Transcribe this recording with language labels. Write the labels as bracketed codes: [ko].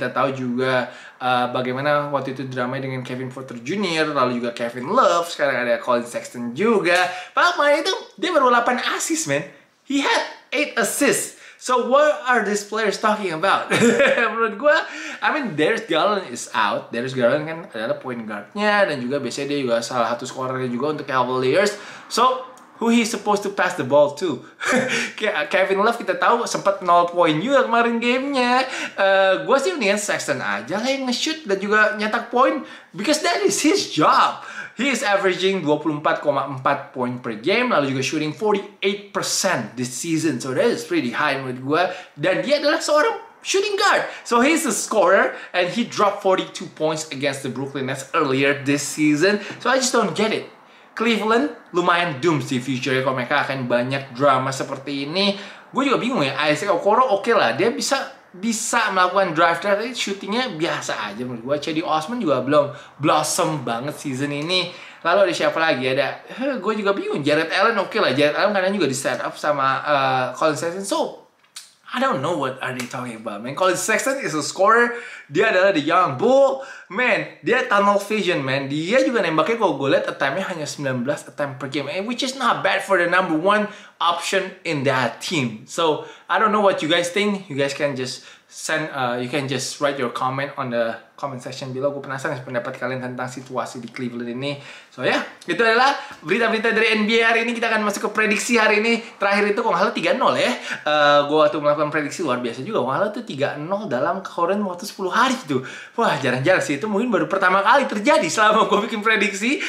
[id] Kita tahu juga bagaimana waktu itu drama dengan Kevin Porter Jr, lalu juga Kevin Love, sekarang ada Colin Sexton juga. Pak itu dia baru 8 asis men. [en] He had 8 assists. So what are these players talking about? [id] Menurut gue, [en] I mean, Darius Garland is out. [id] Darius Garland kan adalah point guard-nya, dan juga biasanya dia juga salah satu scorer-nya juga untuk Cavaliers. [en] So who he supposed to pass the ball to? [id] Kevin Love kita tahu sempat 0 point juga kemarin game-nya. Gue sih mendingan Sexton aja lah yang nge-shoot dan juga nyetak point, [en] because that is his job. He is averaging 24,4 point per game, [id] lalu juga [en] shooting 48% this season. So that is pretty high [id] menurut gue. Dan dia adalah seorang shooting guard. [en] So he's a scorer, and he dropped 42 points against the Brooklyn Nets earlier this season. So I just don't get it. [id] Cleveland lumayan doomed di future-nya kalau mereka akan banyak drama seperti ini. Gue juga bingung ya, Isaac Okoro oke lah. Dia bisa melakukan drive, tapi shooting-nya biasa aja menurut gue. Chedi Osman juga belum blossom banget season ini. Lalu ada siapa lagi? Ada gue juga bingung. Jared Allen oke lah. Jared Allen kadang juga di set up sama Colin Sexton. [en] So, I don't know what are they talking about, man. Colin Sexton is a scorer. [id] Dia adalah [en] the young bull. [id] Man, dia tunnel vision, man. Dia juga nembaknya kalau gue liat attempt-nya hanya 19 attempt per game. [en] Which is not bad for the number one option in that team. So, I don't know what you guys think. You guys can just write your comment on the comment section below. [id] Gue penasaran pendapat kalian tentang situasi di Cleveland ini. So ya, itu adalah berita-berita dari NBA hari ini. Kita akan masuk ke prediksi hari ini. Terakhir itu kalau nggak salah 3-0 ya. Gue waktu melakukan prediksi luar biasa juga. Kalau nggak salah itu 3-0 dalam kurun waktu 10 hari itu. Wah, jarang-jarang sih. Itu mungkin baru pertama kali terjadi selama gue bikin prediksi.